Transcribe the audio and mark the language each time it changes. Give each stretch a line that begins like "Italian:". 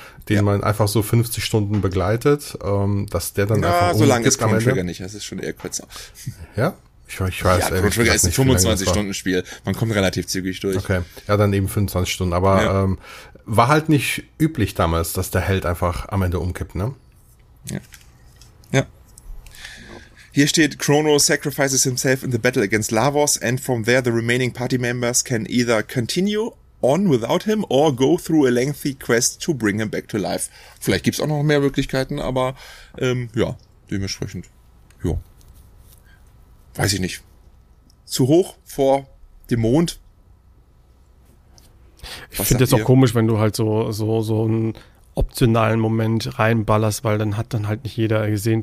German: Den man einfach so 50 Stunden begleitet, dass der dann einfach so lange ist Chrono Trigger nicht, das ist schon eher kürzer. Ja? Ich weiß, ja, Chrono Trigger ist ein 25-Stunden-Spiel, man kommt relativ zügig durch. Okay, ja, dann eben 25 Stunden, aber war halt nicht üblich damals, dass der Held einfach am Ende umkippt, ne? Ja.
English: Hier steht, Chrono sacrifices himself in the battle against Lavos and from there the remaining party members can either continue on without him or go through a lengthy quest to bring him back to life.
German: Vielleicht gibt's auch noch mehr Möglichkeiten, aber dementsprechend. Ja. Weiß ich nicht. Zu hoch vor dem Mond. Ich finde das auch komisch, wenn du halt so einen optionalen Moment reinballerst, weil dann hat dann halt nicht jeder gesehen.